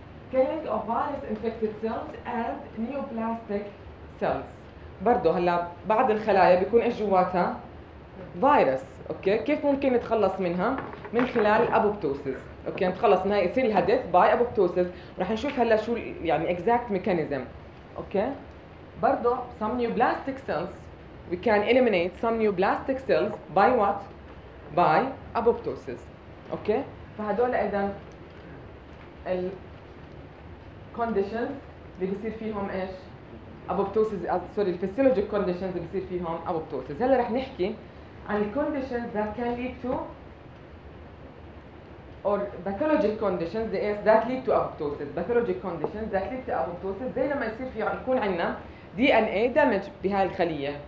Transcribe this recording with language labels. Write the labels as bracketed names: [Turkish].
[English] Killing of virus infected cells and neoplastic cells. [Arabic] برضو هلا بعض الخلايا بيكون إيش جواتها؟ فيروس. أوكي، كيف ممكن نتخلص منها؟ من خلال الأبوبتوسيس. أوكي، نتخلص منها يصير الهدف باي أبوبتوسيس. رح نشوف هلا شو يعني [English] exact mechanism. [Arabic] أوكي، برضو [English] some neoplastic cells we can eliminate some neoplastic cells by what? By apoptosis. [Arabic] أوكي، فهدول إذا ال conditions بيصير فيهم إيش؟ apoptosis. [English] sorry physiological conditions [Arabic] بيصير فيهم [English] apoptosis. [Arabic] هلا رح نحكي عن [English] conditions that can lead to or pathological conditions that lead to apoptosis. pathological conditions that lead to apoptosis [Arabic] زي لما يصير في يكون عنا [English] DNA damage [Arabic] بهاي الخلية.